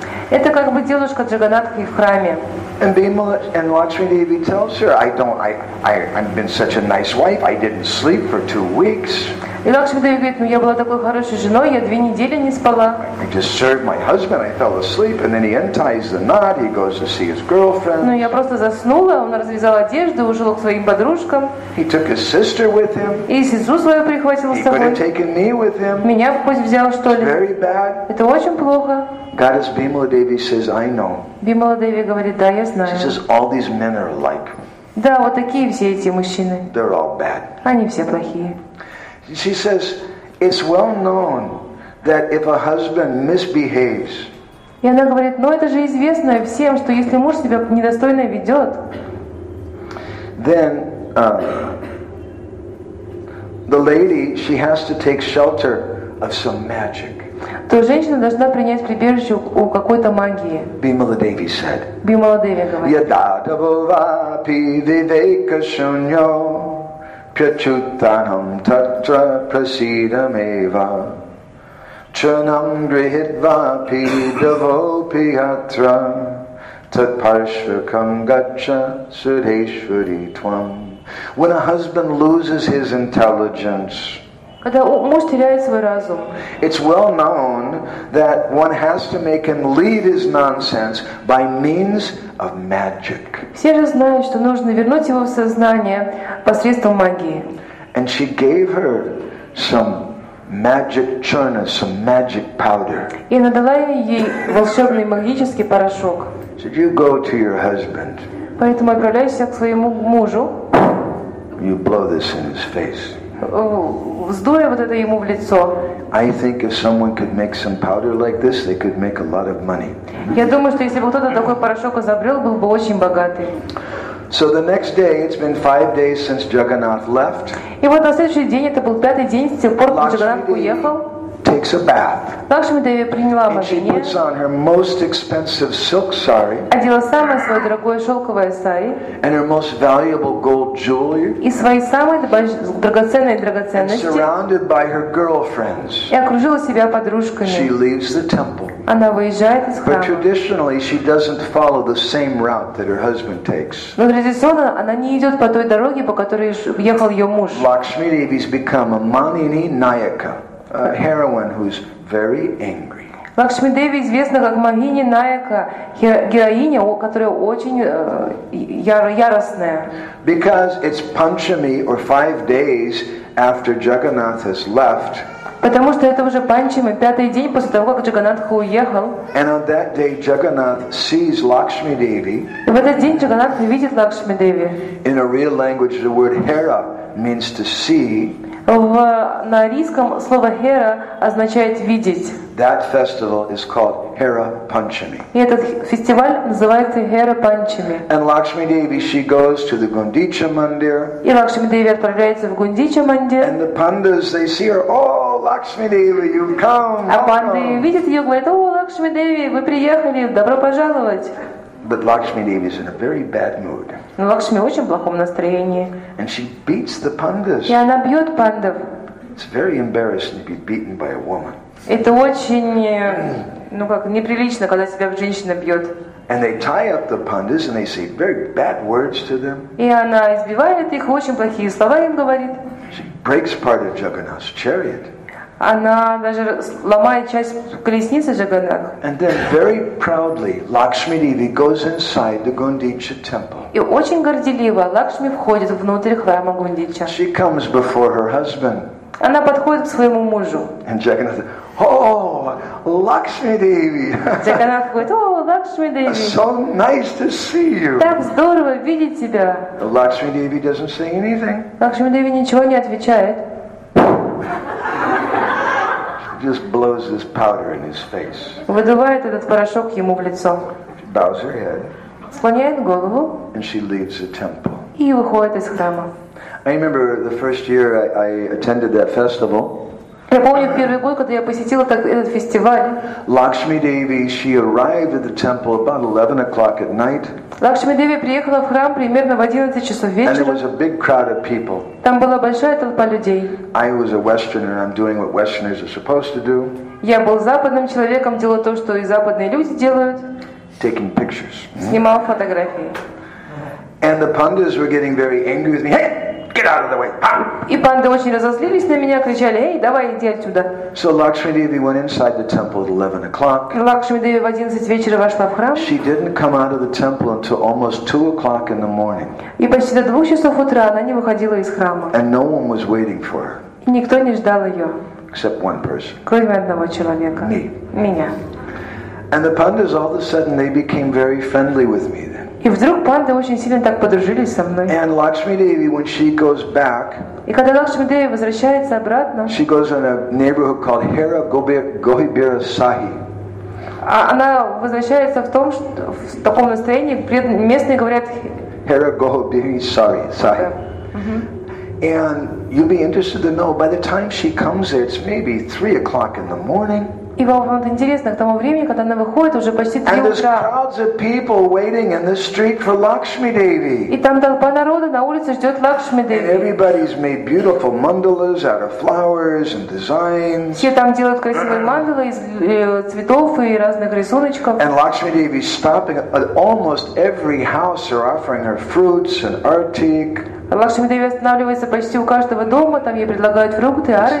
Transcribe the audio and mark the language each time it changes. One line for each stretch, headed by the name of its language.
Russian: Это как бы девушка Джагнатхи в храме.
English: And Bimala and Lakshmi Devi tells her, I've been such a nice wife, I didn't sleep for 2 weeks.
Russian: И Лакшми Деви говорит, ну я была такой хорошей женой, я 2 недели не спала.
English: I just served my husband, I fell asleep, and then he unties the knot, he goes to see his girlfriend.
Russian: Ну я просто заснула, он развязал одежду, ушел к своим подружкам.
English: He took his sister with him.
Russian: И сестру свою прихватил с собой.
English: He could have taken me with him.
Russian: Меня пусть взял, что ли.
English: Very bad.
Russian: Это очень плохо.
English: Goddess Bimala Devi says, I know.
Russian: Bimala Devi говорит, да, я знаю.
English: She says, all these men are alike.
Russian: Да, вот такие все эти мужчины.
English: They're all bad.
Russian: Они все плохие.
English: She says, it's well known that if a husband misbehaves.
Russian: И она говорит, ну это же известно всем, что если муж себя недостойно ведет.
English: Then the lady, she has to take shelter of some magic.
Russian: То женщина должна принять прибежище у какой-то магии.
English: Bimala Devi said.
Russian: Bimala Devi говорит.
Sanskrit: Yadadavapi viveka shunyo pyachutanam tatra prasidam eva chanam grihidvapi davopi atra tatparshukam gacha sudheshwari tvam.
English: When a husband loses his intelligence,
Russian: когда муж теряет свой разум.
English: It's well known that one has to make him leave his nonsense by means of magic.
Russian: Все же знают, что нужно вернуть его в сознание посредством магии.
English: And she gave her some magic churna, some magic powder.
Russian: И она дала ей волшебный магический порошок.
English: Should you go to your husband?
Russian: Поэтому отправляйся к своему мужу.
English: You blow this in his face.
Russian: Вздуя вот это ему в лицо.
English: I think if someone could make some powder like this, they could make a lot of money.
Russian: Я думаю, что если бы кто-то такой порошок изобрел, был бы очень богатый.
English: So the next day, it's been 5 days since Jagannath left.
Russian: И вот на следующий день, это был 5-й день с тех пор, как Джагнатх уехал.
English: Takes a bath.
Russian: Лакшми Деви приняла омовение.
English: And she puts on her most expensive silk sari.
Russian: Одела самое свое дорогое шелковое сари.
English: And her most valuable gold jewelry.
Russian: И свои самые драгоценности.
English: And surrounded by her girlfriends.
Russian: И окружила себя подружками.
English: She leaves the temple.
Russian: Она выезжает из храма.
English: But traditionally, she doesn't follow the same route that her husband takes.
Russian: Но традиционно она не идет по той дороге, по которой ехал ее муж.
English: Lakshmi Devi's become a Manini Nayaka. A heroine who's very angry.
Russian: Лакшми Деви известна как Магини Наяка, героиня, которая очень яростная.
English: Because it's Panchami, or 5 days after Jagannath has left.
Russian: Потому что это уже Панчами, 5-й день после того, как Джагнатха уехал.
English: And on that day, Jagannath sees Lakshmi Devi.
Russian: В этот день Джагнатха видит Лакшми Деви.
English: In a real language, the word Hera means to see.
Russian: На арийском слово Hera означает видеть.
English: That festival is called Hera Panchami.
Russian: И этот фестиваль называется Hera Panchami.
English: And Lakshmi Devi, she goes to the Gundicha Mandir.
Russian: И Лакшми Деви отправляется в Гундича Мандир.
English: And the pandas, they see her, oh, Lakshmi Devi, you've come.
Russian: А панды видят ее, говорят, о, Лакшми Деви, вы приехали, добро пожаловать.
English: But Lakshmi Devi is in a very bad mood.
Russian: Но Лакшми в очень плохом настроении.
English: And she beats the pandas.
Russian: И она бьет пандов.
English: It's very embarrassing to be beaten by a woman.
Russian: Это очень, ну как, неприлично, когда тебя женщина бьет.
English: And they tie up the pandas and they say very bad words to them.
Russian: И она избивает их, очень плохие слова им говорит.
English: She breaks part of Jagannath's chariot.
Russian: Она даже ломает часть колесницы Джаганнатха.
English: And then very proudly, Lakshmi Devi goes inside the Gundicha temple.
Russian: И очень горделиво Лакшми входит внутрь храма Гундича.
English: She comes before her husband.
Russian: Она подходит к своему мужу.
English: And Jagannath, oh, Lakshmi Devi.
Russian: Джаганнатха говорит, о, Лакшми Деви.
English: So nice to see you.
Russian: Так здорово видеть тебя.
English: Lakshmi Devi doesn't say anything.
Russian: Лакшми Деви ничего не отвечает.
English: Just blows this powder in his face.
Russian: Выдувает этот порошок ему в лицо.
English: Bows her head.
Russian: Склоняет голову.
English: And she leaves the temple.
Russian: И выходит из храма.
English: I remember the first year I attended that festival.
Russian: Я помню первый год, когда я посетила этот фестиваль.
English: Lakshmi Devi, she arrived at the temple about 11 o'clock at night.
Russian: Лакшми Деви приехала в храм примерно в 11 часов вечера.
English: And it was a big crowd of people.
Russian: Там была большая толпа людей.
English: I was a Westerner, I'm doing what Westerners are supposed to do.
Russian: Я был западным человеком, делал то, что и западные люди делают.
English: Taking pictures.
Russian: Снимал фотографии.
English: And the pandas were getting very angry with me. Hey! Get out of the way.
Russian: И панды очень разозлились на меня, кричали: "Эй, давай иди отсюда!"
English: So Lakshmi Devi went inside the temple at 11 o'clock.
Russian: Лакшми Деви в 11 вечера вошла в храм.
English: She didn't come out of the temple until almost 2 o'clock in the morning.
Russian: И почти до 2 часов утра она не выходила из храма.
English: And no one was waiting for her.
Russian: Никто не ждал ее.
English: Except one person.
Russian: Кроме одного человека.
English: Me.
Russian: Меня.
English: And the pandas all of a sudden they became very friendly with me.
Russian: И вдруг панды очень сильно так подружились со мной.
English: And Lakshmi Devi, when she goes back,
Russian: и когда Лакшми Деви возвращается обратно,
English: she goes in a neighborhood called Hera Gobir Sahi.
Russian: Она возвращается в том, что, в таком настроении, местные говорят
English: Hera Gobir Sahi. Sahi. And you'll be interested to know, by the time she comes there, it's maybe 3 o'clock in the morning.
Russian: И вам вот интересно, к тому времени, когда она выходит, уже почти 3 утра. И там толпа народа на улице ждет Лакшми Деви.
English: And everybody's made beautiful mandalas out of flowers and designs.
Russian: Все там делают красивые мандалы из цветов и разных рисуночков.
English: And Lakshmi Devi stopping at almost every house, are offering her fruits and artik.
Russian: Лакшми Деви останавливается почти у каждого дома, там ей предлагают фрукты, артик.